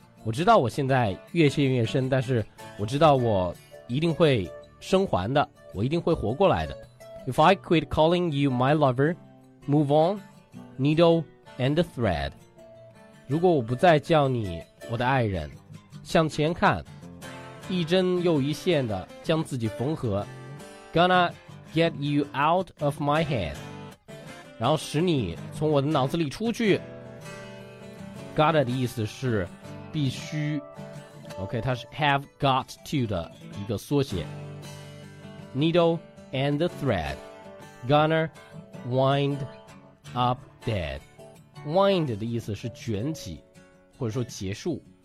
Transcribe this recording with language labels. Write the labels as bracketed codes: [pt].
[zh] 我知道我现在越陷越深，但是我知道我一定会生还的，我一定会活过来的。 [en] If I quit calling you my lover, move on Needle and Thread。 [zh] 如果我不再叫你我的爱人，向前看，一针又一线的将自己缝合。 [en] Gonna get you out of my head， [zh] 然后使你从我的脑子里出去。 Gotta 的意思是必须， OK， 它是 have got to 的一个缩写。 [en] Needle and thread， Gonna wind up dead。 [zh] Wind 的意思是卷起或者说结束。